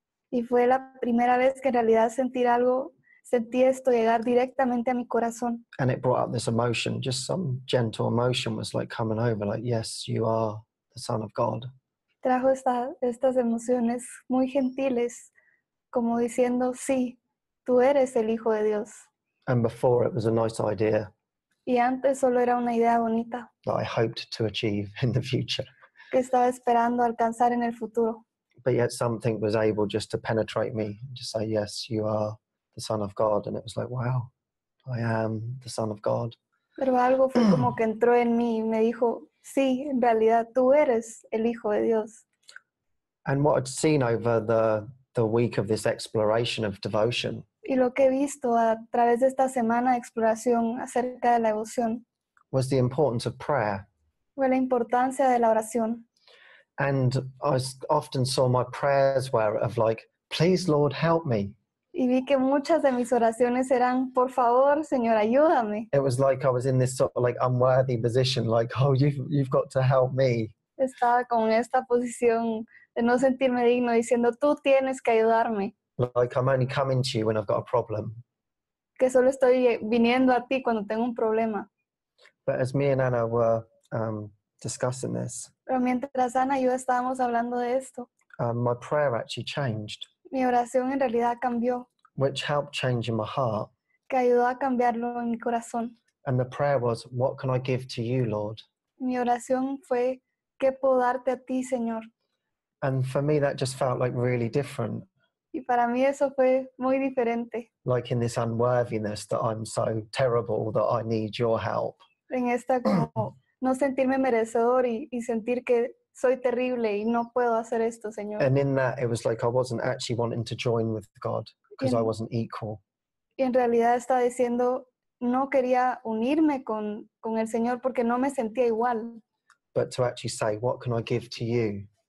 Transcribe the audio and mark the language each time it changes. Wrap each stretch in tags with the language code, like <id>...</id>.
<es>Y fue la primera vez que en realidad sentir algo. Sentí esto llegar directamente a mi corazón.</es> <en>And it brought up this emotion, just some gentle emotion was like coming over, like, yes, you are the Son of God.</en> <es>Trajo estas emociones muy gentiles, como diciendo, sí, tú eres el Hijo de Dios.</es> <en>And before it was a nice idea.</en> <es>Y antes solo era una idea bonita.</es> <en>That I hoped to achieve in the future.</en> <es>Que estaba esperando alcanzar en el futuro.</es> <en>But yet something was able just to penetrate me, just say, yes, you are the Son of God, and it was like, wow, I am the Son of God.</en> <es>Pero algo fue como que entró en mí y me dijo, sí, en realidad tú eres el Hijo de Dios.</es> <en>And what I'd seen over the week of this exploration of devotion.</en> <es>Y lo que he visto a través de esta semana de exploración acerca de la devoción.</es> <en>Was the importance of prayer.</en> <es>Fue la importancia de la oración.</es> <en>And I often saw my prayers were of like, please, Lord, help me.</en> <es>Y vi que muchas de mis oraciones eran, por favor, Señor, ayúdame.</es> <en>It was like I was in this sort of like unworthy position, like, oh, you've got to help me.</en> <es>Estaba con esta posición de no sentirme digno, diciendo, tú tienes que ayudarme.</es> <en>Like, I'm only coming to you when I've got a problem.</en> <es>Que solo estoy viniendo a ti cuando tengo un problema.</es> <en>But as me and Anna were discussing this.</en> <es>Pero mientras Ana y yo estábamos hablando de esto.</es> <en>My prayer actually changed.</en> <es>Mi oración en realidad cambió.</es> <en>Which helped change in my heart.</en> <es>Que ayudó a cambiarlo en mi corazón.</es> <en>And the prayer was, what can I give to you, Lord?</en> <es>Mi oración fue, ¿qué puedo darte a ti, Señor?</es> <en>And for me, that just felt like really different.</en> <es>Y para mí eso fue muy diferente.</es> <en>Like in this unworthiness that I'm so terrible that I need your help.</en> <es>En esta como no sentirme merecedor y sentir que soy terrible y no puedo hacer esto, Señor.</es> <en>And in that, it was like I wasn't actually wanting to join with God because I wasn't equal.</en> <es>Y en realidad estaba diciendo, no quería unirme con el Señor porque no me sentía igual.</es> <en>But to actually say, what can I give to you?</en>